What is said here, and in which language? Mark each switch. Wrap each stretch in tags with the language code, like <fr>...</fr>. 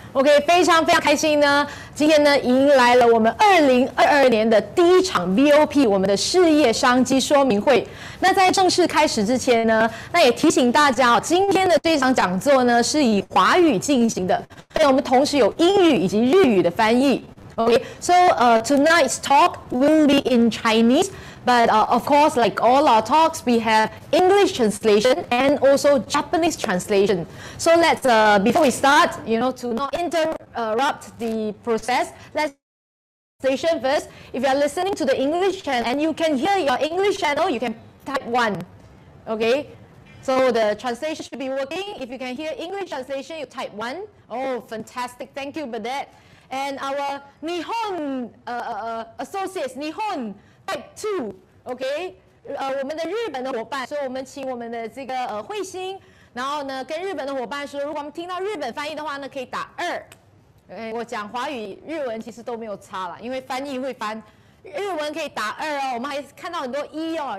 <zh>OK， 非常非常开心呢，今天呢，迎来了我们2022年的第一场 VOP 我们的事业商机说明会。那在正式开始之前呢，那也提醒大家哦，今天的这场讲座呢是以华语进行的，所以我们同时有英语以及日语的翻译。</zh> <en>Okay, so tonight's talk will be in Chinese, but of course, like all our talks, we have English translation and also Japanese translation. So let's, before we start, you know, to not interrupt the process, let's translation first. If you are listening to the English channel and you can hear your English channel, you can type one. Okay, so the translation should be working. If you can hear English translation, you type one. Oh, fantastic. Thank you for that. And our Nihon associates, Nihon, type two, okay?</en> <zh>我们的日本的伙伴，所以我们请我们的这个彗星，然后呢，跟日本的伙伴说，如果我们听到日本翻译的话呢，可以打二。 Okay, 我讲华语、日文其实都没有差了，因为翻译会翻。日文可以打二哦，我们还看到很多一哦。</zh>